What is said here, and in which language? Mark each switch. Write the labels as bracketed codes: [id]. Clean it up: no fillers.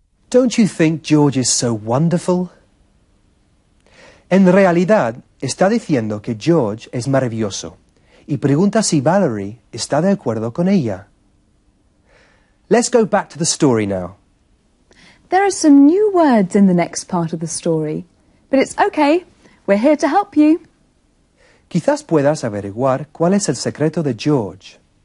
[en] Don't you think George is so wonderful? [es] En realidad, está diciendo que George es maravilloso y pregunta si Valerie está de acuerdo con ella. [en] Let's go back to the story now. There are some new words in the next part of the story, but it's okay. We're here to help you. [es] Quizás puedas averiguar cuál es el secreto de George.